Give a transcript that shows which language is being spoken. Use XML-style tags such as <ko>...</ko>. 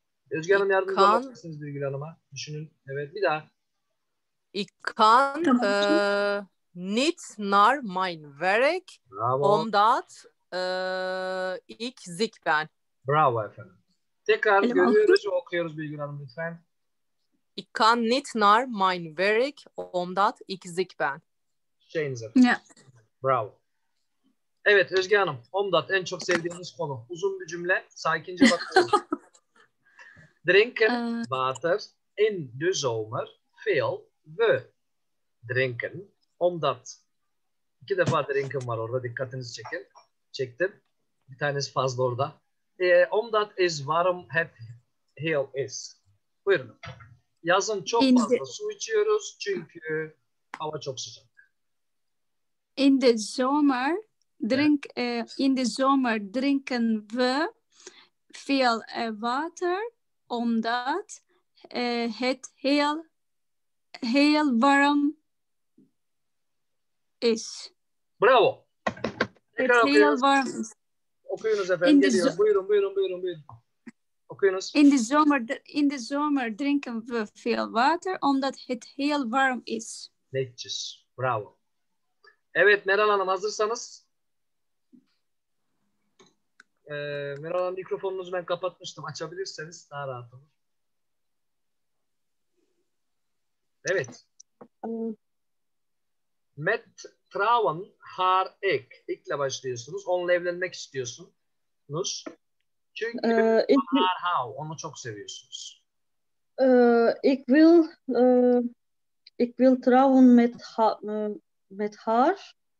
<tr>Özge Hanım yardımcı kan... olabilir misiniz Birgül Hanım'a? Düşünün. Evet bir daha.</tr> <nl>Ik kan niet naar mijn werk.</nl> <tr>Bravo.</tr> <nl>Omdat ik ziek ben.</nl> <tr>Bravo efendim. Tekrar görüyoruz ve okuyoruz Birgül Hanım lütfen.</tr> <nl>Ik kan niet naar mijn werk. Omdat ik ziek ben.</nl> <tr>Şeyiniz efendim. Yeah. Bravo. Evet Özge Hanım, omdat en çok sevdiğiniz konu. Uzun bir cümle, sakince bakalım.</tr> <nl>Drinken, water, in de zomer, veel, we.</nl> <tr>Drinken, omdat. İki defa drinken var orada, dikkatinizi çekin. Çektim. Bir tanesi fazla orada.</tr> <nl>Omdat is warm, het heel is.</nl> <tr>Buyurun. Yazın çok fazla su içiyoruz çünkü hava çok sıcak.</tr> <nl>In de zomer drink, yeah. In de zomer drinken we veel water omdat het heel heel warm is.</nl> <tr>Bravo.</tr> <nl>Heel warm.</nl> <tr>Okuyunuz efendim. Buyurun. Okuyunuz.</tr> <nl>In de zomer drinken we veel water omdat het heel warm is. Netjes.</nl> <tr>Bravo. Evet Meral Hanım hazırsanız. Meral Hanım mikrofonunuzu ben kapatmıştım. Açabilirseniz daha rahat olur. Evet.</tr> <nl>Met Trauen har ek.</nl> <tr>İlkle başlıyorsunuz. Onunla evlenmek istiyorsunuz. Çünkü</tr> <nl>ik will, har how.</nl> <tr>Onu çok seviyorsunuz.</tr> <nl>Ik will trauen met, met har.</nl>